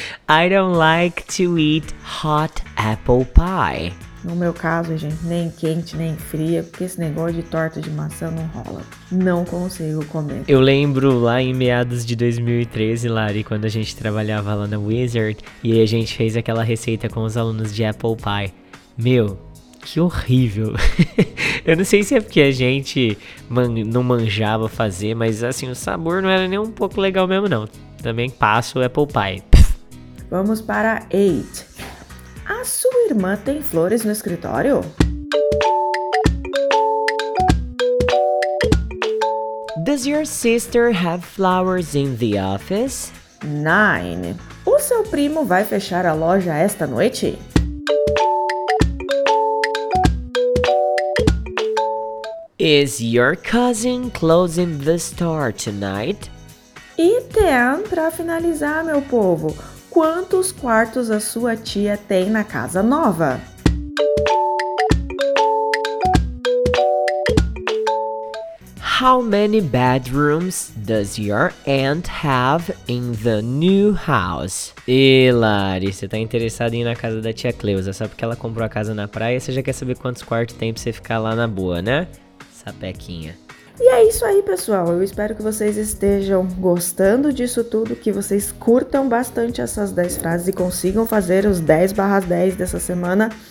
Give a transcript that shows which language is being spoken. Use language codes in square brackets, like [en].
[en] I don't like to eat hot apple pie. [pt] No meu caso, gente, nem quente, nem fria, porque esse negócio de torta de maçã não rola. Não consigo comer. Eu lembro lá em meados de 2013, Lari, quando a gente trabalhava lá na Wizard, e a gente fez aquela receita com os alunos de apple pie. Meu, que horrível. Eu não sei se é porque a gente não manjava fazer, mas assim, o sabor não era nem um pouco legal mesmo, não. Também passo o apple pie. Vamos para 8. A sua irmã tem flores no escritório? [en] Does your sister have flowers in the office? 9. [pt] O seu primo vai fechar a loja esta noite? [en] Is your cousin closing the store tonight? [pt] E tem pra finalizar, meu povo. Quantos quartos a sua tia tem na casa nova? [en] How many bedrooms does your aunt have in the new house? [pt] E Lari, você tá interessada em ir na casa da tia Cleusa, só porque ela comprou a casa na praia, você já quer saber quantos quartos tem pra você ficar lá na boa, né? Sapequinha. E é isso aí, pessoal. Eu espero que vocês estejam gostando disso tudo, que vocês curtam bastante essas 10 frases e consigam fazer os 10/10 dessa semana.